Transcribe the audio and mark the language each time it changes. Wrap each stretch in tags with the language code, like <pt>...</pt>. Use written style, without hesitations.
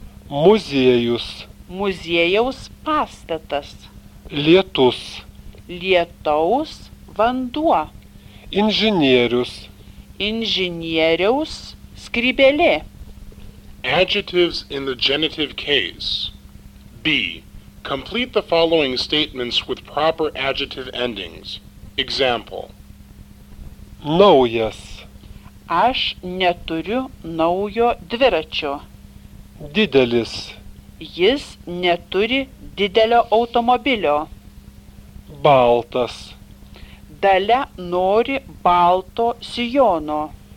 <lt>Muziejus. Muziejaus pastatas. Lietus. Lietaus vanduo. Inžinierius. Inžinieriaus skrybėlė.</lt> <en>Adjectives in the genitive case. B. Complete the following statements with proper adjective endings. Example.</en> <lt>Naujas. Aš neturiu naujo dviračio. Didelis. Jis neturi didelio automobilio. Baltas. Dalia nori balto sijono.</lt>